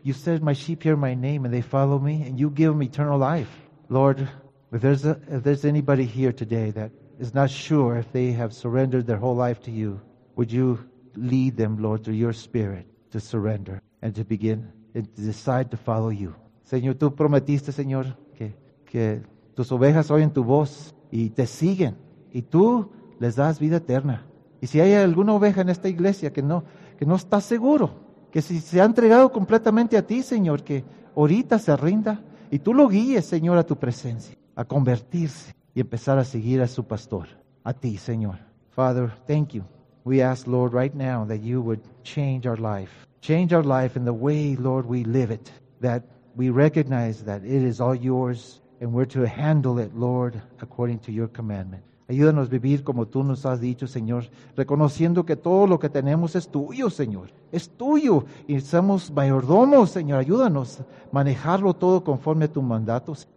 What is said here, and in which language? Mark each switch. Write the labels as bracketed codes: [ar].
[en] You said, my sheep hear my name and they follow me and you give them eternal life. Lord, if there's anybody here today that is not sure if they have surrendered their whole life to you, would you lead them, Lord, through your spirit to surrender and to begin and to decide to follow you. [es] Señor, tú prometiste, Señor, que tus ovejas oyen tu voz y te siguen y tú les das vida eterna. Y si hay alguna oveja en esta iglesia que no está seguro, que si se ha entregado completamente a ti, Señor, que ahorita se rinda y tú lo guíes, Señor, a tu presencia, a convertirse y empezar a seguir a su pastor, a ti, Señor. [en] Father, thank you. We ask, Lord, right now that you would change our life. Change our life in the way, Lord, we live it. That we recognize that it is all yours and we're to handle it, Lord, according to your commandment. [es] Ayúdanos a vivir como tú nos has dicho, Señor, reconociendo que todo lo que tenemos es tuyo, Señor. Es tuyo y somos mayordomos, Señor. Ayúdanos a manejarlo todo conforme a tus mandatos.